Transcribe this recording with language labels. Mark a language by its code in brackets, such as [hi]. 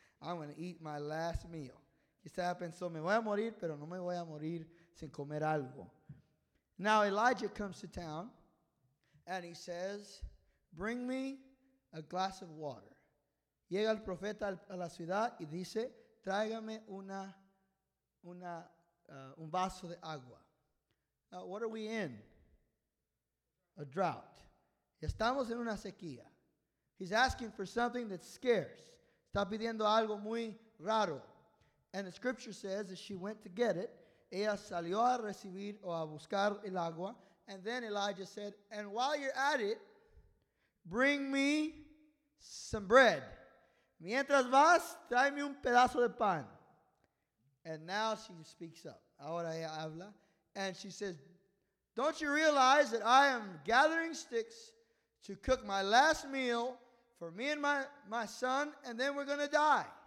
[en] I'm going to eat my last meal. [es] Quizás pensó, me voy a morir, pero no me voy a morir sin comer algo. [en] Now Elijah comes to town, and he says, bring me a glass of water. [es] Llega el profeta a la ciudad y dice, tráigame un vaso de agua. [en] Now, what are we in? A drought. [es] Estamos en una sequía. [en] He's asking for something that's scarce. [es] Está pidiendo algo muy raro. [en] And the scripture says that she went to get it. [es] Ella salió a recibir o a buscar el agua. [en] And then Elijah said, and while you're at it, bring me some bread. [es] Mientras vas, tráeme un pedazo de pan. [en] And now she speaks up. [es] Ahora ella habla. [en] And she says, don't you realize that I am gathering sticks to cook my last meal for me and my son, and then we're going to die.